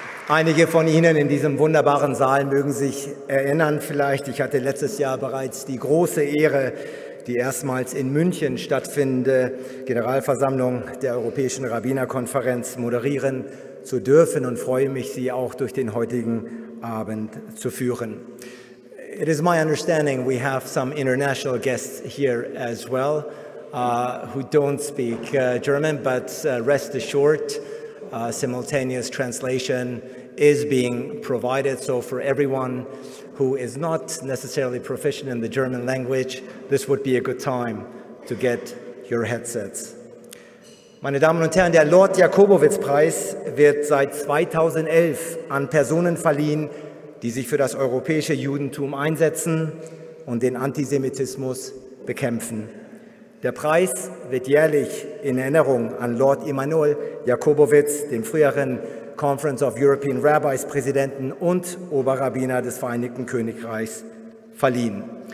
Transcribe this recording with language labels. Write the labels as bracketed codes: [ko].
[de] Einige von Ihnen in diesem wunderbaren Saal mögen sich erinnern vielleicht, ich hatte letztes Jahr bereits die große Ehre, die erstmals in München stattfindende Generalversammlung der Europäischen Rabbinerkonferenz moderieren zu dürfen und freue mich, Sie auch durch den heutigen Abend zu führen. [en] It is my understanding we have some international guests here as well, who don't speak German, but rest assured, simultaneous translation is being provided. So for everyone who is not necessarily proficient in the German language, this would be a good time to get your headsets. [de] Meine Damen und Herren, der Lord Jakobovitz Preis wird seit 2011 an Personen verliehen, die sich für das europäische Judentum einsetzen und den Antisemitismus bekämpfen. Der Preis wird jährlich in Erinnerung an Lord Emanuel Jakobovitz, den früheren Conference of European Rabbis Präsidenten und Oberrabbiner des Vereinigten Königreichs, verliehen.